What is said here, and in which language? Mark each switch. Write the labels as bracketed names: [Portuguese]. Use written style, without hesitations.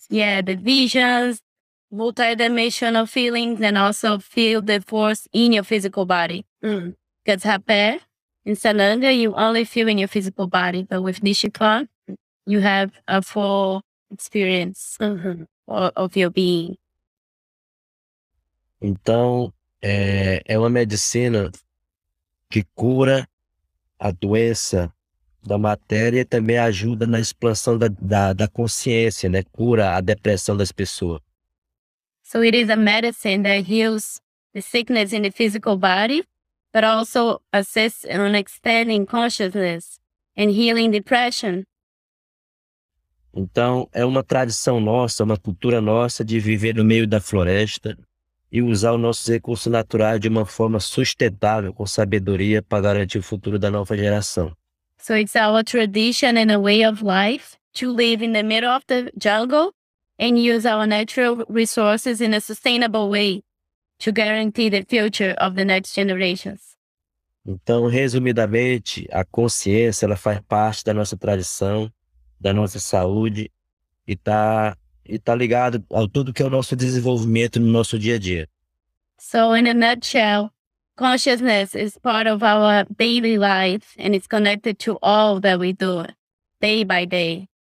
[English] Yeah, the visions, multidimensional feelings, and also feel the force in your physical body. Because Hapé, in Sananga, you only feel in your physical body, but with Nishipa, you have a full experience of your being. [Portuguese] Então, é uma medicina que cura a doença da matéria e também ajuda na expansão da consciência, né? Cura a depressão das pessoas. [English] So it is a medicine that heals the sickness in the physical body, but also assists in expanding consciousness and healing depression. [Portuguese] Então, é uma tradição nossa, uma cultura nossa de viver no meio da floresta e usar os nossos recursos naturais de uma forma sustentável, com sabedoria, para garantir o futuro da nova geração. [English] So it's our tradition and a way of life to live in the middle of the jungle and use our natural resources in a sustainable way to guarantee the future of the next generations. [Portuguese] Então, resumidamente, a consciência, ela faz parte da nossa tradição, da nossa saúde e está e tá ligado ao tudo que é o nosso desenvolvimento no nosso dia a dia. [English] So in a nutshell, consciousness is part of our daily life and it's connected to all that we do day by day.